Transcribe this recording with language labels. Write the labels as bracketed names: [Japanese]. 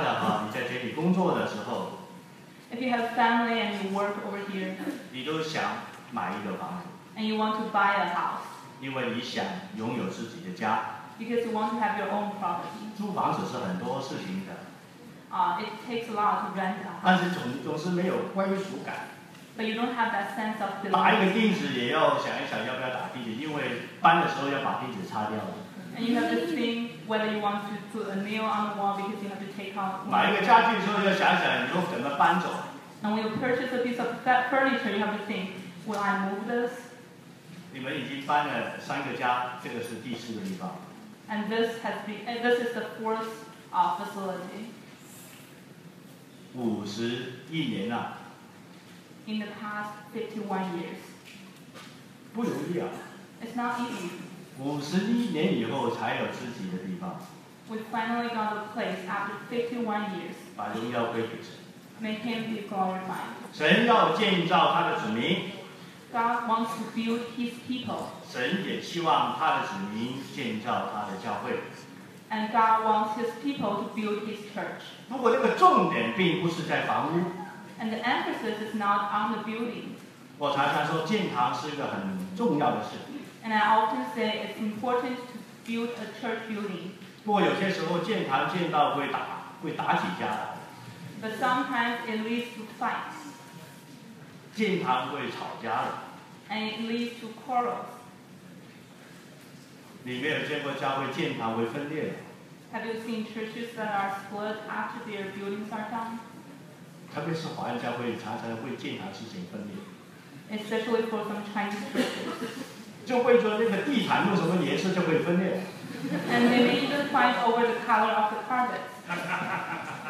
[Chinese] 但是如果你在监理是有家的哈，你在监理工作的时候。 [English] If you have family and you work over here, [Chinese] 你都想买一个房子。 [English] And you want to buy a house. [Chinese] 因为你想拥有自己的家。 [English] Because you want to have your own property. [Chinese] 租房子是很多事情的。 [English] It takes a lot to rent a house. [Chinese] 但是总是没有归属感。 [English] But you don't have that sense of belonging. [Chinese] 打一个钉子也要想一想要不要打钉子，因为搬的时候要把钉子擦掉。 [English] And you have to think whether you want to put a nail on the wall because you have to take out. [Chinese] 买一个家具的时候要想想你要怎么搬走。 [English] And when you purchase a piece of that furniture, you have to think, will I move this? [Chinese] 你们已经搬了三个家，这个是第四个地方。 [English] And this is the fourth facility. [Chinese] 51年了。 [English] In the past 51 years. [Chinese] 不容易啊。 [English] It's not easy. [Chinese] 51年以后才有自己的地方。 [English] We finally got a place after 51 years. [Chinese] 把荣耀归给神。 [English] Make Him be glorified. [Chinese] 神要建造他的子民。 [English] God wants to build His people. [Chinese] 神也希望他的子民建造他的教会。 [English] And God wants His people to build His church. [Chinese] 不过这个重点并不是在房屋。 [English] And the emphasis is not on the building. [Chinese] 我常常说建堂是一个很重要的事。 [English] And I often say it's important to build a church building. [Chinese] 不过有些时候建堂建到会打几架的。 [English] But sometimes it leads to fights. [Chinese] 建堂会吵架的。 [English] And it leads to quarrels. [Chinese] 你没有见过教会建堂会分裂的。 [English] Have you seen churches that are split after their buildings are done? [Chinese] 特别是华人教会常常会建堂之前分裂。 [English] Especially for some Chinese churches. [Chinese] 就会说那个地毯用什么颜色就会分裂。 [English] And they may even fight over the color of the carpet.